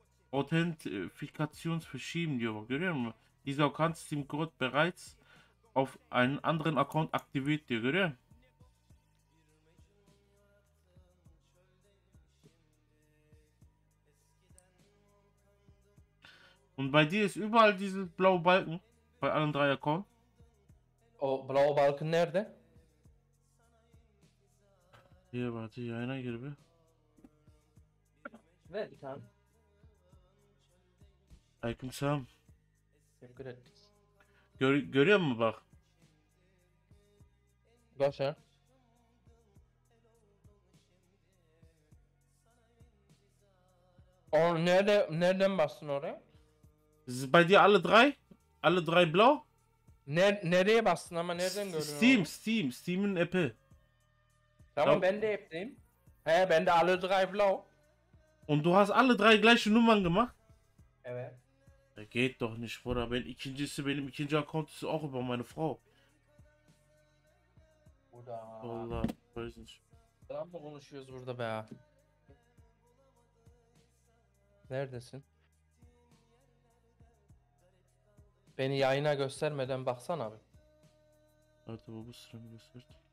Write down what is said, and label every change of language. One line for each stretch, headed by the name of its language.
German: Authentifikations verschieben
Turkish: diyor bak, görüyor musun?
German: Dieser Account Steam Code bereits auf einen anderen Account aktiviert
Turkish: diyor, görüyor musun?
German: Und bei dir ist überall dieses blaue Balken bei allen drei Accounts.
Turkish: O
German: blaue Balken
Turkish: nerede?
German: Hier warte,
Turkish: yayına gir bir. Ver bir tane. Aleykümselam. Görüyor musun bak? Başa. O nerede, nereden bastın oraya?
German: Bei dir alle drei? Alle drei blau?
Turkish: Nereye bastın ama nereden görüyorsun? Steam'in app'i. Tamam, ben de app'deyim. He, ben de
German: alle drei blau. Und du hast alle drei gleiche Nummern gemacht?
Turkish: Evet.
German: Das geht doch nicht, Bruder.
Turkish: Benim ikinci
German: Account ist auch über meine Frau. Bruder. Valla, weiß nicht.
Turkish: Tamam mı konuşuyoruz burada be? Neredesin? Beni yayına göstermeden baksana abi. Evet, bu sıramı gösterdi.